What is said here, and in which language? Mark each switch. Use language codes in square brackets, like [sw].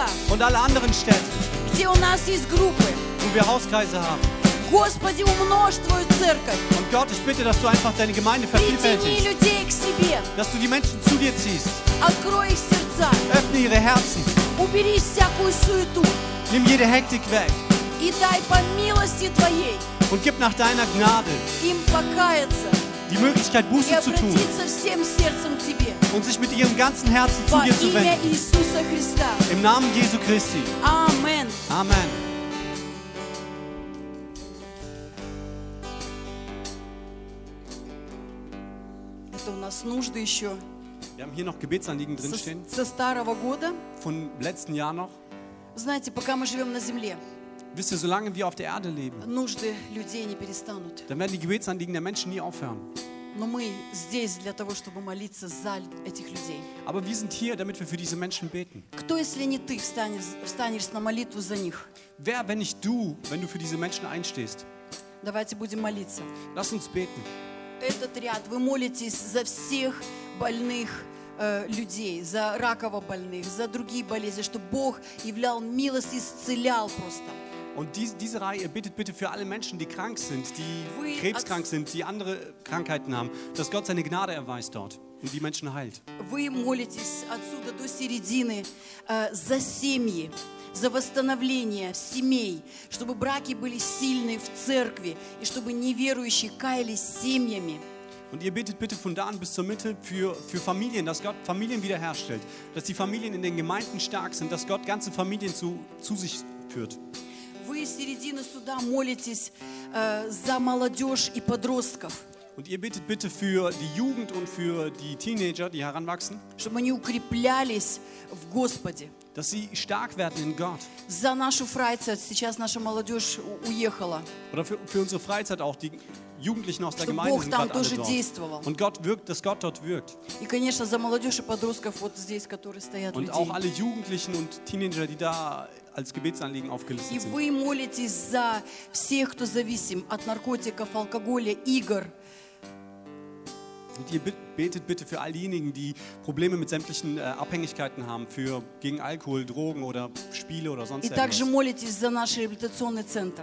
[de] Und alle anderen Städte, wo wir Hauskreise haben. [ru] Господи, умножь твою церковь. [de] Und Gott, ich bitte, dass du einfach deine Gemeinde vervielfältigst. Dass du die Menschen zu dir ziehst. [ru] Открой их сердца. [de] Öffne ihre Herzen. [ru] Убери всякую суету. [de] Nimm jede Hektik weg. [ru] И дай по милости твоей. [de] Und gib nach deiner Gnade [ru] им покаяться. [de] Die Möglichkeit, Buße zu tun. [ru] Всем сердцем тебе. [de] Und sich mit ihrem ganzen Herzen zu dir zu wenden. [ru] Во имя Иисуса Христа. [de] Im Namen Jesu Christi. Amen. Amen. [ru] Это у нас нужды еще. [de] Wir haben hier noch Gebetsanliegen drin stehen. [ru] Со старого года. [de] Von letzten Jahr noch. [ru] Знаете, пока мы живем на земле. [de] Wisst ihr, solange wir auf der Erde leben, [ru] нужды людей не перестанут. [de] Dann werden die Gebetsanliegen der Menschen nie aufhören. [ru] Но мы здесь для того, чтобы молиться за этих людей. [de] Aber wir sind hier, damit wir für diese Menschen beten. [ru] Кто, если не ты, встанешь на молитву за них? [de] Wer, wenn nicht du, wenn du für diese Menschen einstehst? [ru] Давайте будем молиться. [de] Lass uns beten. [ru] Этот ряд, вы молитесь за всех больных, людей, за раково-больных, за другие болезни, чтобы Бог являл милость и исцелял просто. [de] Und diese Reihe, ihr bittet bitte für alle Menschen, die krank sind, die krebskrank sind, die andere Krankheiten haben, dass Gott seine Gnade erweist dort und die Menschen heilt. [ru] Вы молитесь отсюда до середины за семьи, за восстановление семей, чтобы браки были сильны в церкви и чтобы неверующие каялись семьями. [de] Und ihr bittet bitte von da an bis zur Mitte für Familien, dass Gott Familien wiederherstellt, dass die Familien in den Gemeinden stark sind, dass Gott ganze Familien zu sich führt. [ru] Вы из середины сюда молитесь за молодежь и подростков. [de] Und ihr bittet bitte für die Jugend und für die Teenager, die heranwachsen. [ru] Чтобы они укреплялись в Господе. [de] Dass sie stark werden in Gott. [ru] За нашу Freizeit, сейчас наша молодежь уехала. [de] Oder für unsere Freizeit auch, die Jugendlichen aus der Gemeinde sind gerade alle dort. Und Gott wirkt, dass Gott dort wirkt. [ru] И, конечно, за молодежь и подростков вот здесь, которые стоят. [de] Und auch alle Jugendlichen und Teenager, die da als Gebetsanliegen aufgelistet sind. [ru] И вы молитесь за всех, кто зависим от наркотиков, алкоголя, игр. [de] Und ihr betet bitte für all diejenigen, die Probleme mit sämtlichen Abhängigkeiten haben, für gegen Alkohol, Drogen oder Spiele oder sonst etwas. [ru] И также молитесь за наш реабилитационный центр.